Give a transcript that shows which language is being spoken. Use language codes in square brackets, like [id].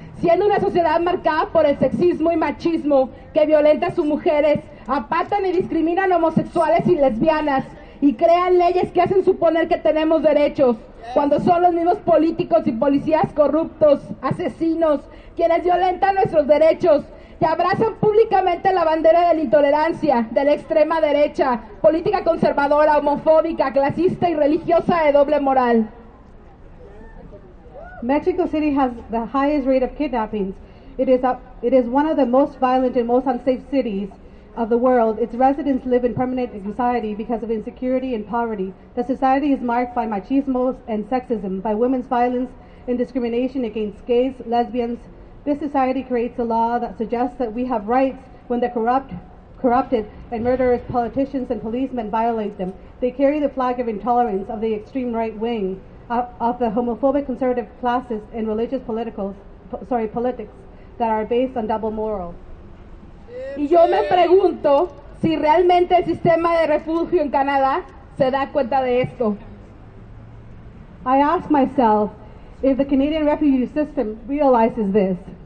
[es] siendo una sociedad marcada por el sexismo y machismo que violenta a sus mujeres, apartan y discriminan homosexuales y lesbianas, y crean leyes que hacen suponer que tenemos derechos, cuando son los mismos políticos y policías corruptos, asesinos, quienes violentan nuestros derechos, que abrazan públicamente la bandera de la intolerancia, de la extrema derecha, política conservadora, homofóbica, clasista y religiosa de doble moral. [en] Mexico City has the highest rate of kidnappings. It is one of the most violent and most unsafe cities of the world. Its residents live in permanent anxiety because of insecurity and poverty. The society is marked by machismo and sexism, by women's violence and discrimination against gays, lesbians. This society creates a law that suggests that we have rights when the corrupted and murderous politicians and policemen violate them. They carry the flag of intolerance of the extreme right wing, of the homophobic conservative classes and religious politics that are based on double moral. [es] Y yo me pregunto si realmente el sistema de refugio en Canadá se da cuenta de esto. [en] I ask myself if the Canadian refugee system realizes this.